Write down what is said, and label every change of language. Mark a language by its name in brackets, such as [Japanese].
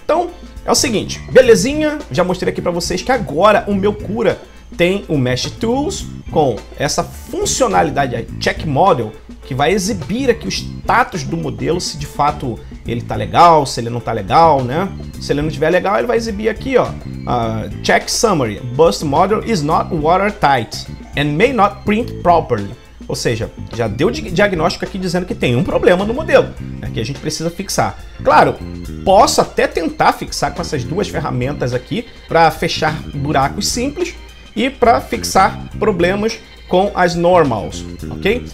[Portuguese] Então, é o seguinte, belezinha? Já mostrei aqui para vocês que agora o meu Cura tem o Mesh Tools com essa funcionalidade aí, Check Model, que vai exibir aqui o status do modelo, se de fato ele tá legal, se ele não tá legal, né? Se ele não estiver legal, ele vai exibir aqui, ó. [English] Check summary. Bust model is not watertight and may not print properly. [Portuguese] Ou seja, já deu diagnóstico aqui dizendo que tem um problema no modelo, né, que a gente precisa fixar. Claro, posso até tentar fixar com essas duas ferramentas aqui para fechar buracos simples e para fixar problemas com as normals, ok?